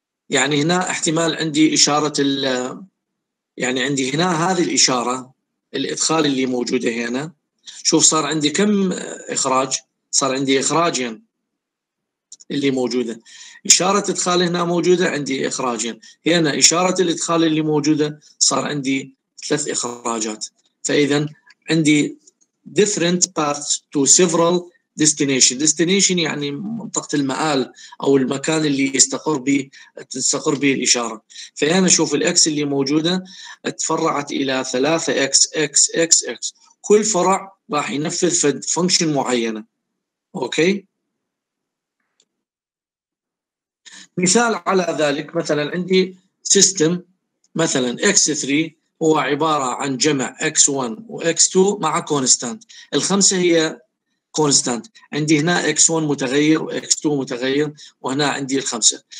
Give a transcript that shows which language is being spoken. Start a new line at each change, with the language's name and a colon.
Arabic: يعني هنا احتمال عندي إشارة ال، يعني عندي هنا هذه الإشارة الإدخال اللي موجودة هنا. شوف صار عندي كم إخراج، صار عندي إخراجين اللي موجودة، إشارة إدخال هنا موجودة عندي إخراجين، هنا إشارة الإدخال اللي موجودة صار عندي ثلاث إخراجات. فإذا عندي
English: different paths to several destination.
Arabic: Destination يعني منطقة المآل أو المكان اللي يستقر به، تستقر به الإشارة. فأنا أشوف الإكس اللي موجودة تفرعت إلى ثلاثة إكس إكس إكس إكس، كل فرع راح ينفذ في function معينة. أوكي؟ مثال على ذلك، مثلا عندي system مثلا إكس 3 هو عبارة عن جمع X1 و X2 مع كونستانت، الخمسة هي كونستانت، عندي هنا X1 متغير و X2 متغير وهنا عندي الخمسة.